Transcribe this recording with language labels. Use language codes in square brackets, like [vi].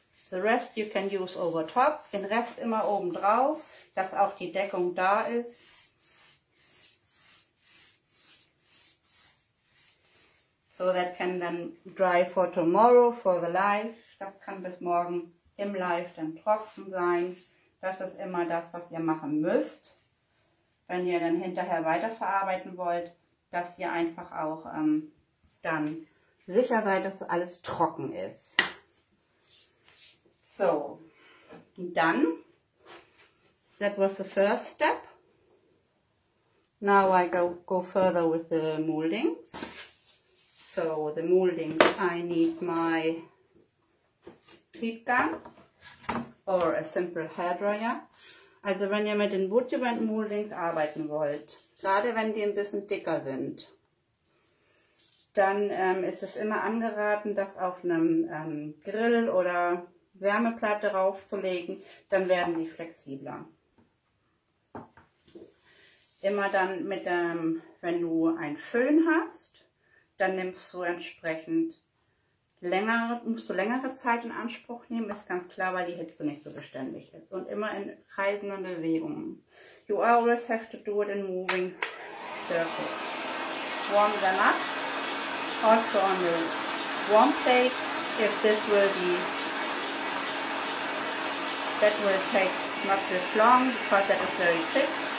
[en] The rest you can use over top, [de] den Rest immer oben drauf, dass auch die Deckung da ist. [en] So that can then dry for tomorrow, for the live. [de] Das kann bis morgen im Live dann trocken sein. Das ist immer das, was ihr machen müsst, wenn ihr dann hinterher weiterverarbeiten wollt, dass ihr einfach auch dann sicher seid, dass alles trocken ist. [en] So, [de] und dann [en] that was the first step. Now I go further with the moldings. So the moldings, I need my heat gun or a simple hairdryer. [de] Also wenn ihr mit den Woodjewand moldings arbeiten wollt, gerade wenn die ein bisschen dicker sind, dann ist es immer angeraten, das auf einem Grill oder Wärmeplatte raufzulegen, dann werden die flexibler. Immer dann mit dem, wenn du einen Föhn hast, dann nimmst du entsprechend musst du längere Zeit in Anspruch nehmen, ist ganz klar, weil die Hitze nicht so beständig ist. Und immer in kreisenden Bewegungen. [en] You always have to do it in moving circles. Warm them up. Also on the warm plate, if this will be, that will take not this long, because that is very thick.